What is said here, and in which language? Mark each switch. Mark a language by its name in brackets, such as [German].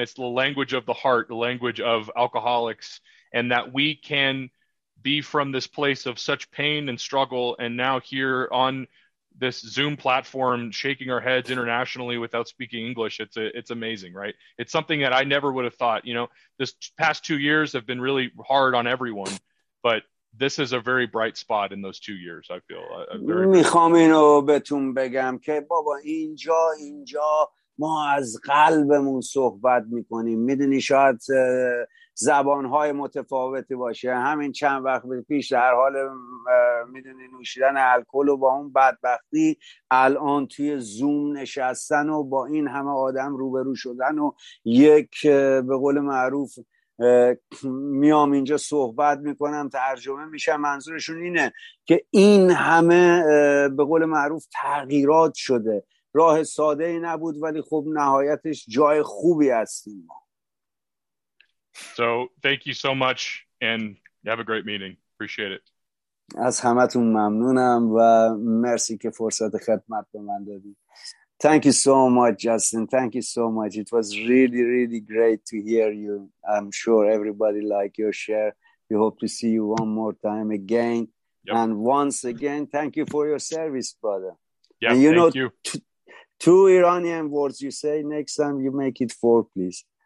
[English] It's the language of the heart, the language of alcoholics, and that we can be from this place of such pain and struggle, and now here on this Zoom platform shaking our heads internationally without speaking English. It's amazing, right? It's something that I never would have thought, you know. This past 2 years have been really hard on everyone, but this is a very bright spot in those 2 years. I feel [Persian] میخوام اینو بهتون بگم که بابا اینجا ما از قلبمون صحبت میکنیم. میدونی شاید زبانهای متفاوتی باشه. همین چند وقت پیش در حال میدونی نوشیدن الکل و با اون بدبختی الان توی زوم نشستن و با این همه آدم روبرو شدن و یک به قول معروف میام اینجا صحبت میکنم ترجمه میشم، منظورشون اینه که این همه به قول معروف تغییرات شده. راه ساده ای نبود، ولی خب نهایتش جای خوبی هستیم ما. [English] So thank you so much and have a great meeting. Appreciate it. [Persian] از همتون ممنونم و مرسی که فرصت خدمت به من دادی. [English] Thank you so much, Justin. Thank you so much. It was really, really great to hear you. I'm sure everybody liked your share. We hope to see you one more time again. Yep. And once again, thank you for your service, brother. Yeah, thank know, you. Two Iranian words you say, next time you make it four, please.